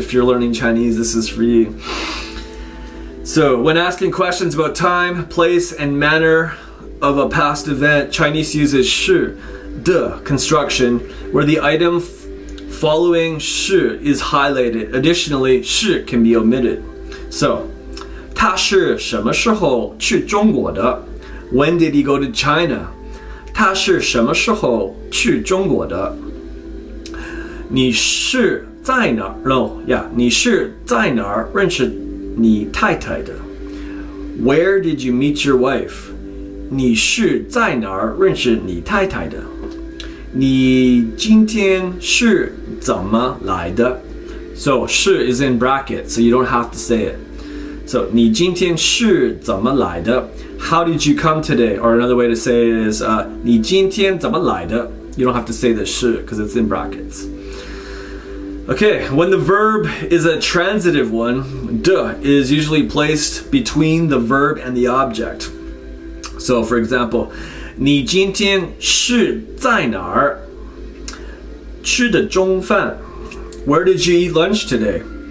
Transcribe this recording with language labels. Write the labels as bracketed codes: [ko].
[en] If you're learning Chinese, this is for you. So, when asking questions about time, place, and manner of a past event, Chinese uses 是, 的 construction, where the item following 是 is highlighted. Additionally, 是 can be omitted. [zh] So, 他是什么时候去中国的? [en] When did he go to China? [zh] 他是什么时候去中国的? 你是在哪儿?No, yeah, 你是在哪儿认识你太太的? [en] Where did you meet your wife? [zh] 你是在哪儿认识你太太的? 你今天是怎么来的? [en] So, 是 is in brackets, so you don't have to say it. [zh] So, 你今天是怎么来的? [en] How did you come today? Or another way to say it is, [zh] 你今天怎么来的? [en] You don't have to say the 是 because it's in brackets. Okay, when the verb is a transitive one, 的 is usually placed between the verb and the object. So, for example, [zh] 你今天是在哪儿吃的中饭? [en] Where did you eat lunch today?